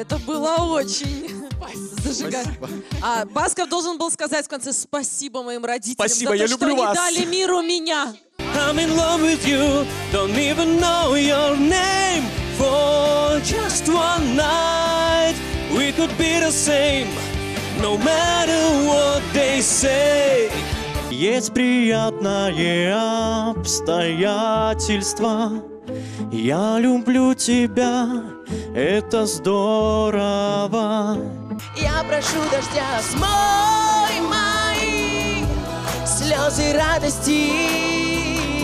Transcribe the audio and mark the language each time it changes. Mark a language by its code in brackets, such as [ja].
[ru] Это было очень зажигательно. А Басков должен был сказать в конце спасибо моим родителям. Спасибо, за то, я люблю вас. Они дали миру меня. [en] I'm in love with you. Don't even know your name. For just one night we could be the same. No matter what they say. [ru] Есть приятное обстоятельство. Я люблю тебя, это здорово. Я прошу дождя, смой мои слезы радости.